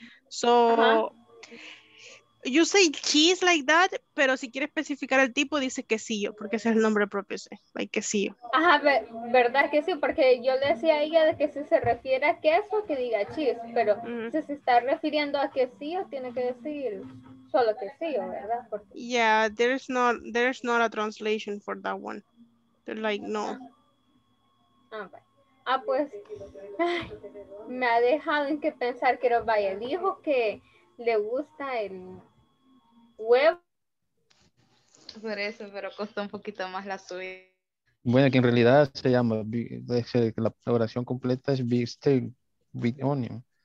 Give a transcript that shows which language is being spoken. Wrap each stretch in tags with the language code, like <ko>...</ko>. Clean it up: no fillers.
<en>So, you say cheese like that,</en> <es>pero si quiere especificar el tipo, dice quesillo, porque ese es el nombre propio, ¿sí? Like quesillo. Ajá, verdad que sí, porque yo le decía a ella de que si se refiere a queso, que diga cheese, pero si se está refiriendo a quesillo, tiene que decir solo quesillo, ¿verdad? Porque...</es> <en>Yeah, there's not a translation for that one. They're like, no.</en> <es>Ah, pues, me ha dejado en qué pensar, que vaya, dijo que le gusta el huevo. Por eso, pero costó un poquito más la suya. Bueno, que en realidad se llama, la oración completa es bistec</es> <en>with onion.</en>